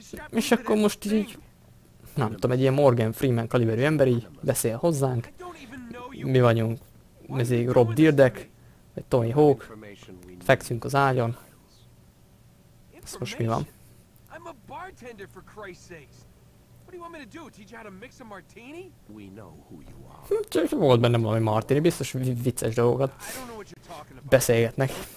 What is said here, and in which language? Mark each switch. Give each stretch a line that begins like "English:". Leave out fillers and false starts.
Hungarian: És akkor most így... Nem tudom, egy ilyen Morgan Freeman kaliberű ember így beszél hozzánk. Mi vagyunk... Ez egy Rob Dyrdek, vagy Tony Hawk. Fekszünk az ágyon. Ez most mi van?
English: I'm a bartender, for Christ's sakes. What do you want me to do? Teach you how to mix a martini? We know who you are.
Hungarian: Csak volt bennem valami martini, biztos vicces dolgokat beszélgetnek.